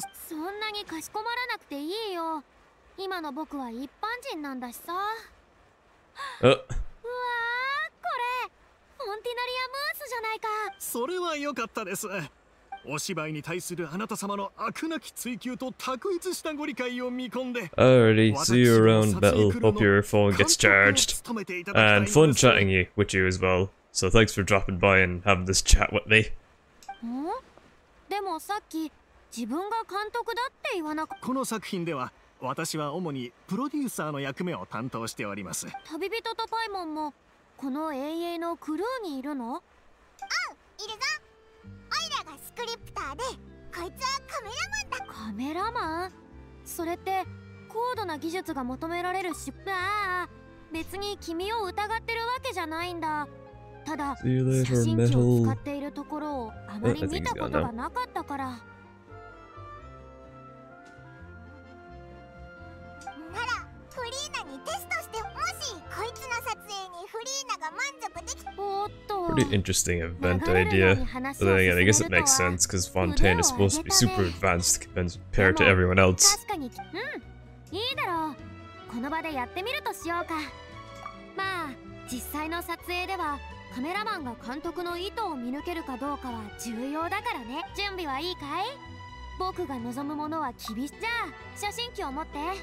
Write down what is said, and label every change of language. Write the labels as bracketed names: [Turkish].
[Japanese] そんなにかしこまらなくていいよ。今の僕は一般人なんだしさ。フォンティナリアムースじゃないか。それは良かったです。お芝居に対するあなた様の飽くなき追求と卓一したご理解を見込んで、 [English] I already see you around battle, hope your phone gets charged. And fun chatting you, with you as well. So thanks for dropping by and having this chat with me. ん? [Japanese] でもさっき、自分が監督だって言わなく… この作品では、私は主にプロデューサーの役目を担当しております。旅人とパイモンも、この英英のクルーにいるの? うん、いるぞ。オイラがスクリプターで、こいつはカメラマンだ。カメラマン? それって、高度な技術が求められるし…ああ、別に君を疑ってるわけじゃないんだ。ただ、写真機を使っているところをあまり見たことがなかったから。なら、フリーナにテストして、もし、こいつの撮影にフリーナが満足でき、おっと。 [English] Pretty interesting event idea. But then again, I guess it makes sense, because Fontaine is supposed to be super advanced compared to everyone else. [Japanese] 確かに、うん、いいだろう。この場でやってみるとしようか。まあ、実際の撮影では、カメラマンが監督の意図を見抜けるかどうかは重要だからね。準備はいいかい? 僕が望むものは厳しい。じゃあ、写真機を持って。